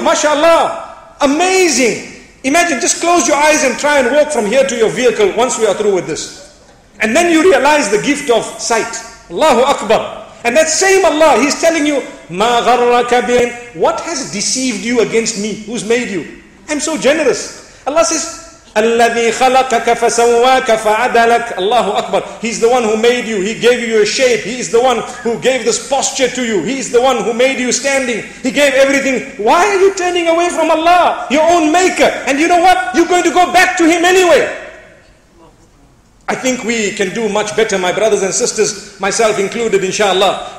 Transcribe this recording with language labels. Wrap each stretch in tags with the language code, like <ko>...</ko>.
<en>MashaAllah. Amazing. Imagine, just close your eyes and try and walk from here to your vehicle once we are through with this. And then you realize the gift of sight. Allahu Akbar. And that same Allah, He's telling you,</en> <ar>مَا غَرَّكَ بِينَ.</ar> <en>What has deceived you against me? Who's made you? I'm so generous. Allah says,</en> <ar>الَّذِي خَلَقَكَ فَسَوَّاكَ فَعَدَلَكَ. Allahu Akbar.</ar> <en>He's the one who made you. He gave you a shape. He is the one who gave this posture to you. He is the one who made you standing. He gave everything. Why are you turning away from Allah, your own maker? And you know what? You're going to go back to Him anyway. I think we can do much better, my brothers and sisters, myself included, inshallah.</en>